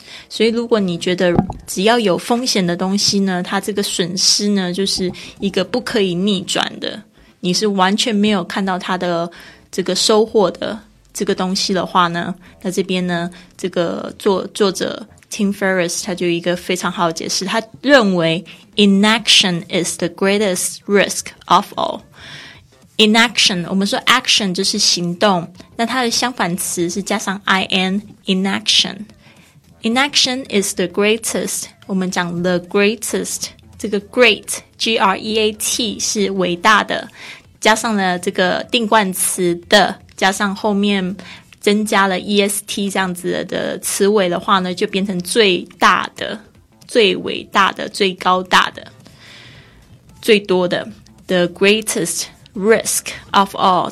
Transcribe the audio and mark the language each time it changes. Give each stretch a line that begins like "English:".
Chinese: 所以如果你觉得只要有风险的东西呢，它这个损失呢就是一个不可以逆转的，你是完全没有看到它的这个收获的这个东西的话呢，那这边呢这个作者Tim Ferriss 他就一个非常好的解释，他认为
English: inaction is the greatest risk of all.
Chinese: Inaction 我们说 action 就是行动，那它的相反词是加上 in， inaction。
English: Inaction is the greatest，
Chinese: 我们讲
English: the greatest，
Chinese: 这个
English: great， G
Chinese: GREAT 是伟大的，加上了这个定冠词的，加上后面增加了 EST 这样子的词尾的话呢，就变成最大的、最伟大的、最高大的、最多的
English: The greatest risk of all。